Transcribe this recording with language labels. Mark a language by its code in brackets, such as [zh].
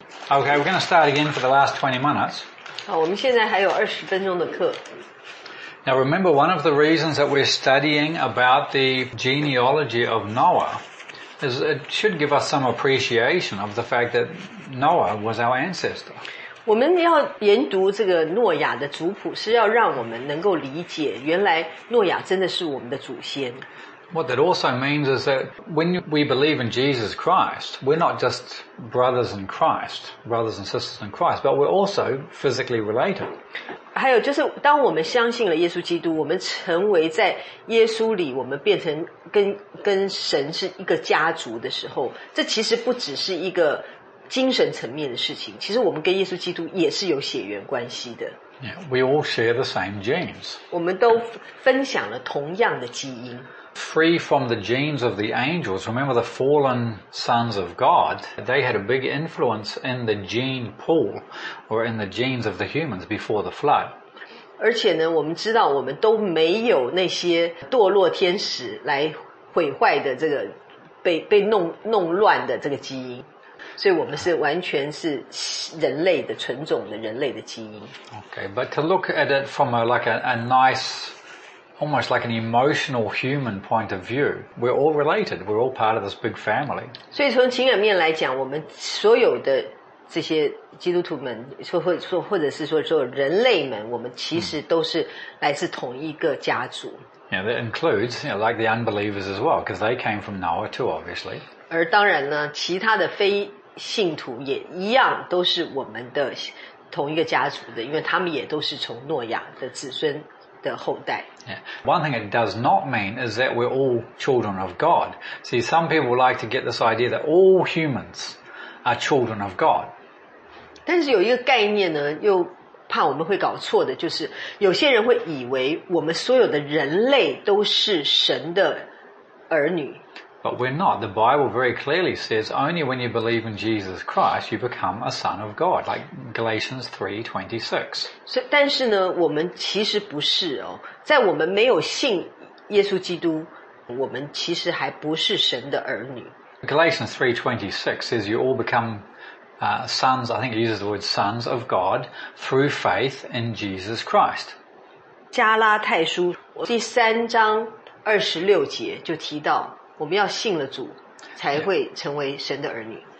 [en] Okay, we're going to start again for the last 20 minutes. [zh] 好，我们现在还有二十分钟的课。 [en] Now remember, one of the reasons that we're studying about the genealogy of Noah is it should give us some appreciation of the fact that Noah was our ancestor. [zh] 我们要研读这个诺亚的族谱，是要让我们能够理解，原来诺亚真的是我们的祖先。 [en] What that also means is that when we believe in Jesus Christ, we're not just brothers in Christ, brothers and sisters in Christ, but we're also physically related. [zh] 还有就是当我们相信了耶稣基督，我们成为在耶稣里，我们变成 跟神是一个家族的时候，这其实不只是一个精神层面的事情，其实我们跟耶稣基督也是有血缘关系的。 [en] Yeah, we all share the same genes. [zh] 我们都分享了同样的基因。 [en] Free from the genes of the angels, remember the fallen sons of God, they had a big influence in the gene pool, or in the genes of the humans before the flood. [zh] 而且呢，我们知道我们都没有那些堕落天使来毁坏的这个被弄乱的这个基因。所以我们是完全是人类的纯种的人类的基因。 [en] Okay, but to look at it from a nice, almost like an emotional human point of view, we're all related. We're all part of this big family. [zh] 所以从情感面来讲，我们所有的这些基督徒们，或者是说人类们，我们其实都是来自同一个家族。 [en] Yeah, that includes, you know, like the unbelievers as well, because they came from Noah too, obviously. [zh] 而当然呢，其他的非信徒也一样都是我们的同一个家族的，因为他们也都是从诺亚的子孙的后代。 [en] Yeah. One thing it does not mean is that we're all children of God. See, some people like to get this idea that all humans are children of God. [zh] 但是有一个概念呢，又怕我们会搞错的，就是有些人会以为我们所有的人类都是神的儿女。 [en] But we're not. The Bible very clearly says only when you believe in Jesus Christ, you become a son of God, like Galatians 3:26. [zh] 所以，但是呢，我们其实不是哦。在我们没有信耶稣基督，我们其实还不是神的儿女。 [en] Galatians 3:26 says you all become sons, I think it uses the word sons of God, through faith in Jesus Christ. [zh] 加拉太书第三章二十六节就提到我们要信了主才会成为神的儿女。